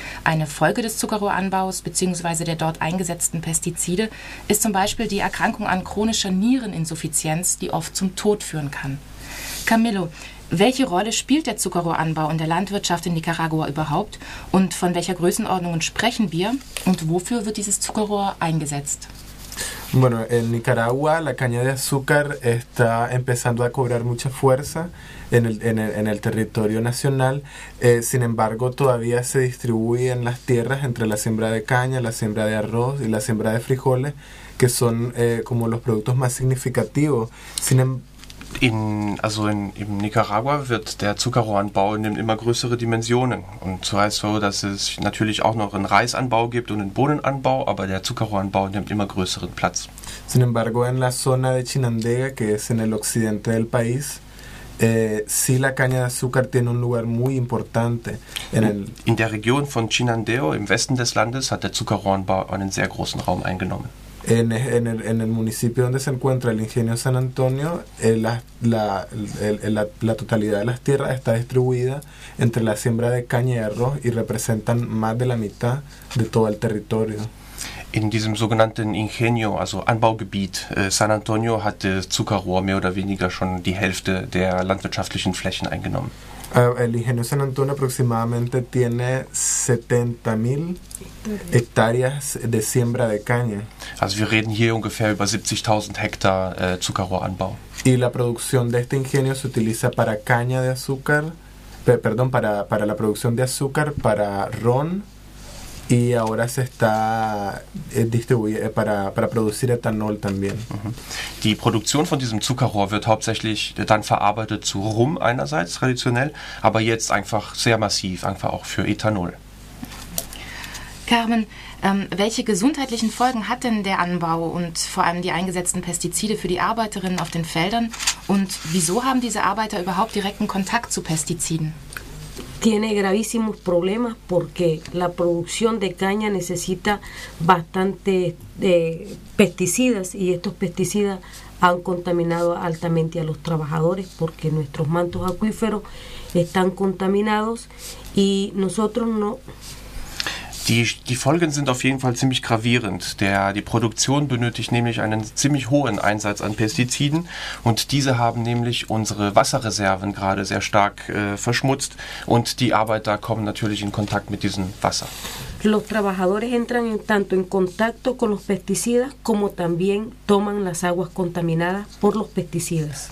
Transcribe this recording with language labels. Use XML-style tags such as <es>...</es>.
<de>Eine Folge des Zuckerrohranbaus bzw. der dort eingesetzten Pestizide ist zum Beispiel die Erkrankung an chronischer Niereninsuffizienz, die oft zum Tod führen kann. Camilo, welche Rolle spielt der Zuckerrohranbau in der Landwirtschaft in Nicaragua überhaupt und von welcher Größenordnung sprechen wir und wofür wird dieses Zuckerrohr eingesetzt?</de> <es>Bueno, en Nicaragua la caña de azúcar está empezando a cobrar mucha fuerza en el territorio nacional. Sin embargo, todavía se distribuyen las tierras entre la siembra de caña, la siembra de arroz y la siembra de frijoles, que son como los productos más significativos.</es> <de>In Nicaragua wird der Zuckerrohranbau nimmt immer größere Dimensionen. Und so heißt so, dass es natürlich auch noch einen Reisanbau gibt und einen Bohnenanbau, aber der Zuckerrohranbau nimmt immer größeren Platz.</de> <es>Sin embargo, en la zona de Chinandega, que es en el occidente del país, sí la caña de azúcar tiene un lugar muy importante.</es> <de>In der Region von Chinandega, im Westen des Landes, hat der Zuckerrohranbau einen sehr großen Raum eingenommen.</de> <es>En el municipio donde se encuentra el ingenio San Antonio, la totalidad de las tierras está distribuida entre la siembra de caña y arroz y representan más de la mitad de todo el territorio.</es> <de>In diesem sogenannten Ingenio, also Anbaugebiet San Antonio, hat Zuckerrohr mehr oder weniger schon die Hälfte der landwirtschaftlichen Flächen eingenommen.</de> <es>El ingenio San Antonio aproximadamente tiene 70.000 hectáreas de siembra de caña.</es> <de>Also wir reden hier ungefähr über 70.000 Hektar Zuckerrohranbau.</de> <es>Y la producción de este ingenio se utiliza para caña de azúcar, perdón, para la producción de azúcar, para ron, y ahora se está distribuyendo para producir etanol también.</es> <de>Die Produktion von diesem Zuckerrohr wird hauptsächlich dann verarbeitet zu Rum einerseits traditionell, aber jetzt einfach sehr massiv, einfach auch für Ethanol. Carmen, welche gesundheitlichen Folgen hat denn der Anbau und vor allem die eingesetzten Pestizide für die Arbeiterinnen auf den Feldern? Und wieso haben diese Arbeiter überhaupt direkten Kontakt zu Pestiziden?</de> <es>Tiene gravísimos problemas porque la producción de caña necesita bastante pesticidas y estos pesticidas han contaminado altamente a los trabajadores porque nuestros mantos acuíferos están contaminados y nosotros no.</es> <de>Die Folgen sind auf jeden Fall ziemlich gravierend. Die Produktion benötigt nämlich einen ziemlich hohen Einsatz an Pestiziden und diese haben nämlich unsere Wasserreserven gerade sehr stark verschmutzt und die Arbeiter kommen natürlich in Kontakt mit diesem Wasser.</de> <es>Los trabajadores entran tanto en contacto con los pesticidas como también toman las aguas contaminadas por los pesticidas.</es>